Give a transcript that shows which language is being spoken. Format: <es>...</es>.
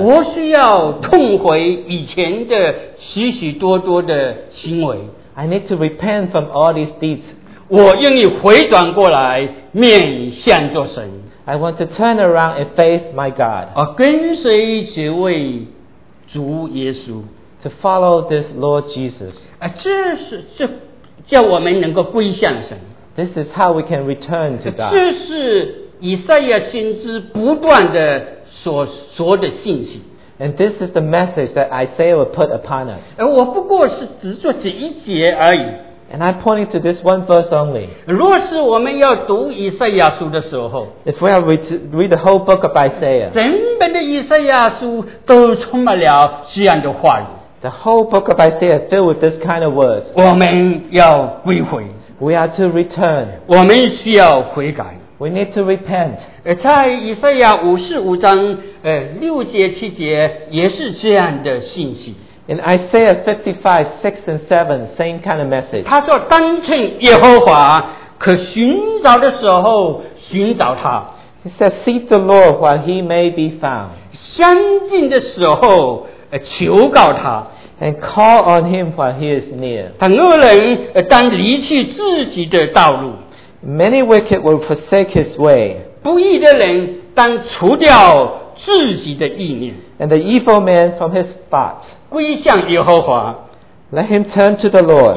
<zh>我需要痛悔以前的许许多多的行为。</zh> <en>I need to repent from all these deeds.</en> <zh>我愿意回转过来面向着神。</zh> <en>I want to turn around and face my God.</en> <zh>跟随这位主耶稣。</zh> <en>To follow this Lord Jesus.</en> <zh>这叫我们能够归向神。</zh> <en>This is how we can return to God.</en> <zh>这是以赛亚先知不断的所说的信息。</zh> <en>And this is the message that Isaiah will put upon us.</en> <zh>我不过是只做这一节而已。</zh> <en>And I'm pointing to this one verse only.</en> <zh>若是我们要读以赛亚书的时候，</zh> <en>If we are read the whole book of Isaiah,</en> <zh>整本的以赛亚书都充满了这样的话语。</zh> <en>The whole book of Isaiah is filled with this kind of words.</en> <zh>我们要归回。</zh> <en>We are to return.</en> <zh>我们需要悔改。</zh> <en>We need to repent.</en> <zh>在以赛亚55章六节七节也是这样的信息。</zh> <en>In Isaiah 55, 6 and 7, same kind of message.</en> <zh>他说单称耶和华，可寻找的时候寻找他。</zh> <en>He said, seek the Lord while he may be found.</en> <zh>相近的时候求告他。</zh> <en>And call on him while he is near.</en> <zh>但恶人当离去自己的道路。</zh> <en>Many wicked will forsake his way.</en> <zh>不义的人当除掉自己的意念。</zh> <en>And the evil man from his thought.</en> <zh>归向耶和华。</zh> <en>Let him turn to the Lord.</en>